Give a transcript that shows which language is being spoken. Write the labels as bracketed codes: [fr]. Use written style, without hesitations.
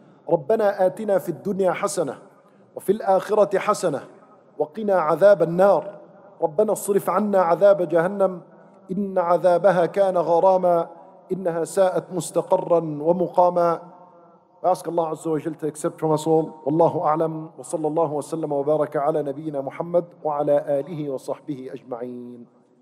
[ar] ربنا آتنا في الدنيا حسنة وفي الآخرة حسنة وقنا عذاب النار ربنا اصرف عنا عذاب جهنم إن عذابها كان غراما إنها ساءت مستقرا ومقاما. [en] We ask Allah Azza wa Jal to accept from us all. [ar] والله أعلم وصلى الله وسلم وبارك على نبينا محمد وعلى آله وصحبه أجمعين.